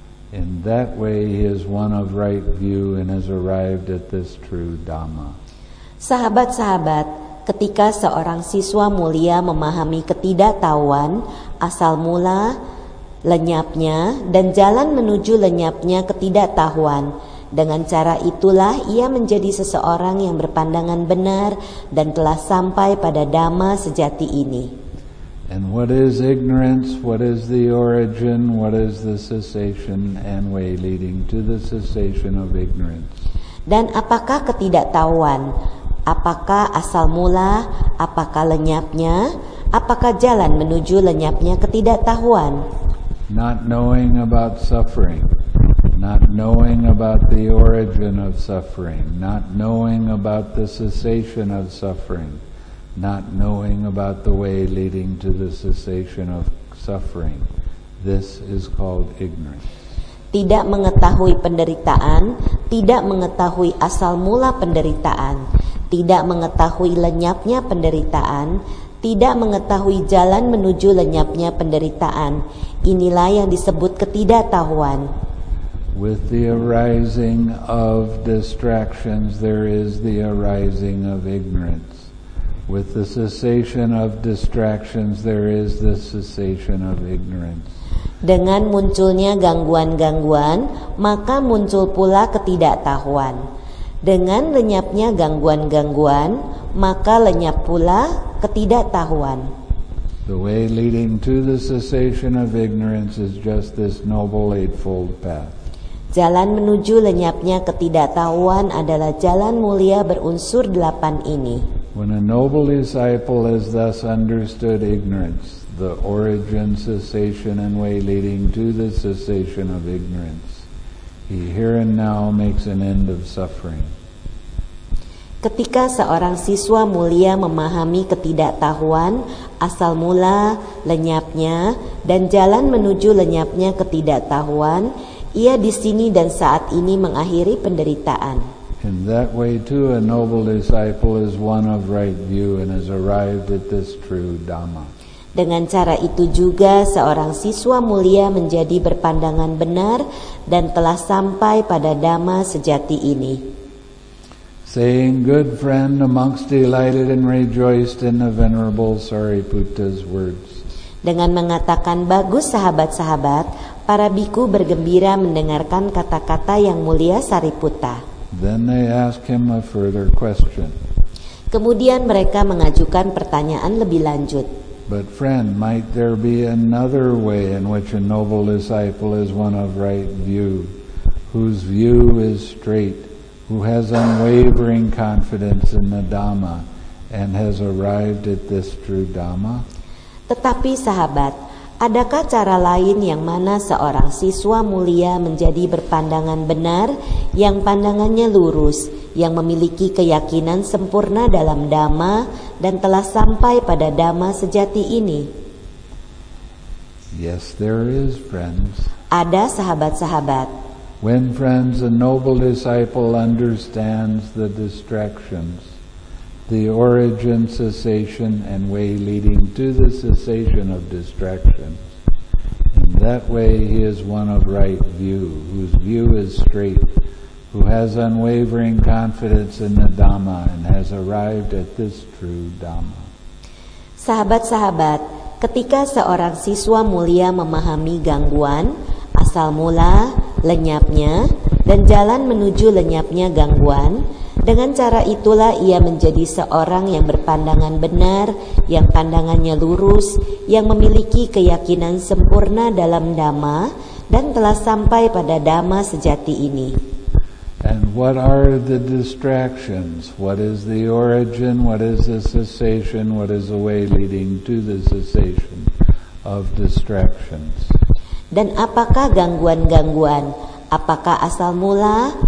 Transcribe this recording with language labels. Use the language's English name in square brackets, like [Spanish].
[English] In that way he is one of right view and has arrived at this true Dhamma. [Indonesian] Sahabat-sahabat, ketika seorang siswa mulia memahami ketidaktahuan, asal mula, lenyapnya, dan jalan menuju lenyapnya ketidaktahuan, dengan cara itulah ia menjadi seseorang yang berpandangan benar dan telah sampai pada Dhamma sejati ini. [English] And what is ignorance? What is the origin? What is the cessation and way leading to the cessation of ignorance? [Indonesian] Dan apakah ketidaktahuan? Apakah asal mula? Apakah lenyapnya? Apakah jalan menuju lenyapnya ketidaktahuan? [English] Not knowing about suffering. Not knowing about the origin of suffering. Not knowing about the cessation of suffering. Not knowing about the way leading to the cessation of suffering. This is called ignorance. [Indonesian] Tidak mengetahui penderitaan, tidak mengetahui asal mula penderitaan, tidak mengetahui lenyapnya penderitaan, tidak mengetahui jalan menuju lenyapnya penderitaan. Inilah yang disebut ketidaktahuan. [English] With the arising of distractions, there is the arising of ignorance. With the cessation of distractions, there is the cessation of ignorance. [Indonesian] Dengan munculnya gangguan-gangguan, maka muncul pula ketidaktahuan. Dengan lenyapnya gangguan-gangguan, maka lenyap pula ketidaktahuan. [English] The way leading to the cessation of ignorance is just this noble eightfold path. [Indonesian] Jalan menuju lenyapnya ketidaktahuan adalah jalan mulia berunsur delapan ini. [English] When a noble disciple has thus understood ignorance, the origin, cessation, and way leading to the cessation of ignorance, he here and now makes an end of suffering. [Indonesian] Ketika seorang siswa mulia memahami ketidaktahuan, asal mula, lenyapnya, dan jalan menuju lenyapnya ketidaktahuan, ia di sini dan saat ini mengakhiri penderitaan. [English] In that way too, a noble disciple is one of right view and has arrived at this true Dhamma. [Indonesian] Dengan cara itu juga, seorang siswa mulia menjadi berpandangan benar dan telah sampai pada Dhamma sejati ini. [English] Saying, good friend, the monks delighted and rejoiced in the venerable Sariputta's words. [Indonesian] Dengan mengatakan bagus sahabat-sahabat, para bhikkhu bergembira mendengarkan kata-kata yang mulia Sariputta. [English] Then they ask him a further question. [Indonesian] Kemudian mereka mengajukan pertanyaan lebih lanjut. [English] But friend, might there be another way in which a noble disciple is one of right view, whose view is straight, who has unwavering confidence in the Dhamma, and has arrived at this true Dhamma? [Indonesian] Tetapi sahabat, adakah cara lain yang mana seorang siswa mulia menjadi berpandangan benar, yang pandangannya lurus, yang memiliki keyakinan sempurna dalam Dhamma, dan telah sampai pada Dhamma sejati ini? [English] Yes, there is, friends. [Indonesian] Ada sahabat-sahabat. [English] When friends, a noble disciple understands the distractions, the origin, cessation, and way leading to the cessation of distractions. In that way, he is one of right view, whose view is straight, who has unwavering confidence in the Dhamma, and has arrived at this true Dhamma. [Indonesian] Sahabat-sahabat, ketika seorang siswa mulia memahami gangguan, asal mula, lenyapnya, dan jalan menuju lenyapnya gangguan, dengan cara itulah ia menjadi seorang yang berpandangan benar, yang pandangannya lurus, yang memiliki keyakinan sempurna dalam Dhamma, dan telah sampai pada Dhamma sejati ini. [English] And what are the distractions? What is the origin? What is the cessation? What is the way leading to the cessation of distractions? [Indonesian] Dan apakah gangguan-gangguan? Apakah asal mula?